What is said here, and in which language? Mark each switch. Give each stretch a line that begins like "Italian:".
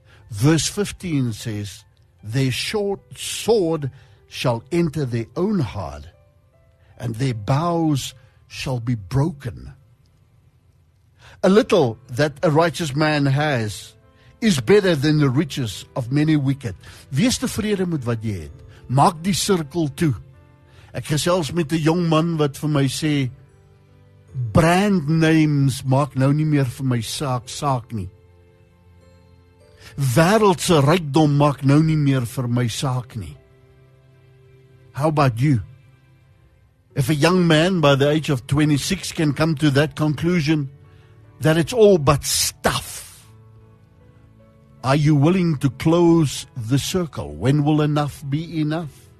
English: Verse 15 says, their short sword shall enter their own heart, and their bows shall be broken. A little that a righteous man has is better than the riches of many wicked.
Afrikaans: Wees tevrede met wat jy het. Maak die sirkel toe. Ek gesels met 'n jong man wat vir my sê, brand names maak nou nie meer vir my saak nie. Wêreldse rykdom maak nou nie meer vir my saak nie.
English: How about you? If a young man by the age of 26 can come to that conclusion that it's all but stuff, are you willing to close the circle? When will enough be enough?